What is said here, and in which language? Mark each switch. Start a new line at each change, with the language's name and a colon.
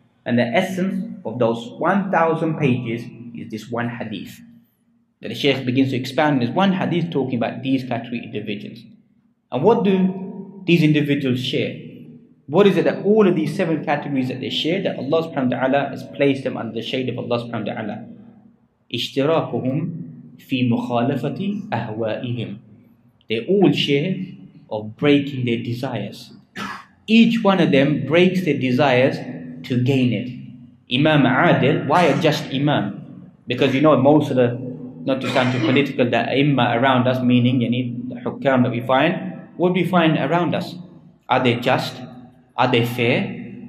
English: And the essence of those 1,000 pages is this one hadith. That the Shaykh begins to expand this one hadith talking about these category individuals. And what do these individuals share? What is it that all of these seven categories that they share, that Allah subhanahu wa ta'ala has placed them under the shade of Allah subhanahu wa ta'ala?
Arabic: اشتراكهم في مخالفة أهوائهم.
English: They all share of breaking their desires. Each one of them breaks their desires to gain it. Imam Adil, why a just Imam? Because you know most of the, not to sound too political, that imma around us, meaning you need the hukam that we find, what do we find around us? Are they just? Are they fair?